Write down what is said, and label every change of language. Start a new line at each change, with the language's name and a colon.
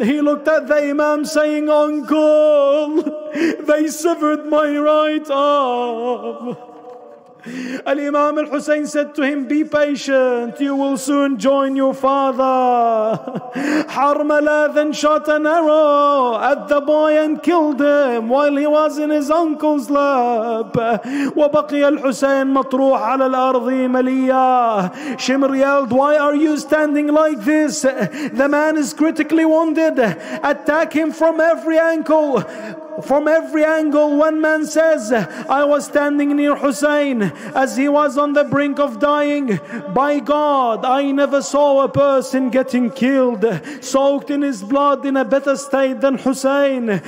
English: He looked at the Imam saying, "Uncle, they severed my right arm." Al-Imam al-Hussein said to him, "Be patient, you will soon join your father." Harmala then shot an arrow at the boy and killed him while he was in his uncle's lap.
Arabic: وبقي الحسين مطروح على الأرض مليا.
English: Shimr yelled, "Why are you standing like this? The man is critically wounded. Attack him from every angle. From every angle." One man says, "I was standing near Hussein as he was on the brink of dying. By God, I never saw a person getting killed, soaked in his blood, in a better state than Hussein.